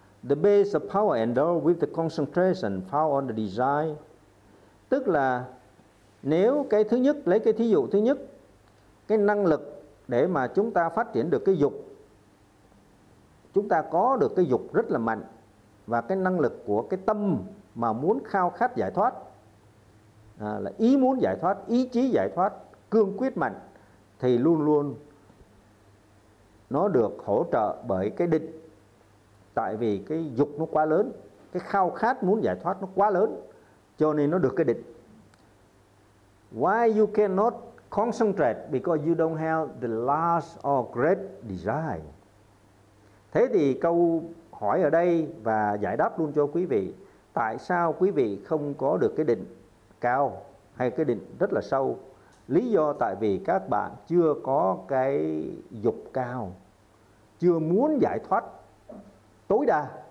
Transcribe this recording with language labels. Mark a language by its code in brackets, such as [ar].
[en] The base of power endowed with the concentration found on the desire. [vi] Tức là nếu cái thứ nhất, lấy cái thí dụ thứ nhất, cái năng lực để mà chúng ta phát triển được cái dục, chúng ta có được cái dục rất là mạnh, và cái năng lực của cái tâm mà muốn khao khát giải thoát, là ý muốn giải thoát, ý chí giải thoát cương quyết mạnh, thì luôn luôn nó được hỗ trợ bởi cái định. Tại vì cái dục nó quá lớn, cái khao khát muốn giải thoát nó quá lớn, cho nên nó được cái định. [en] Why you cannot concentrate? Because you don't have the last or great desire. [vi] Thế thì câu hỏi ở đây và giải đáp luôn cho quý vị, tại sao quý vị không có được cái định cao hay cái định rất là sâu? Lý do tại vì các bạn chưa có cái dục cao, chưa muốn giải thoát tối đa.